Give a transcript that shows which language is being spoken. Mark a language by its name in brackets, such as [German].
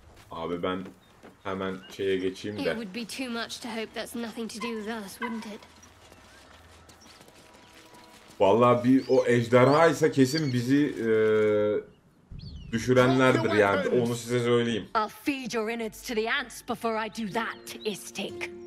[Turkish] Abi ben hemen şeye geçeyim de. [English] It would be too much to hope that's nothing to do with us, wouldn't it? [Turkish] Vallahi bir o ejderha ise kesin bizi düşürenlerdir yani, onu size söyleyeyim. [English] I'll feed your innards to the ants before I do that, Istik.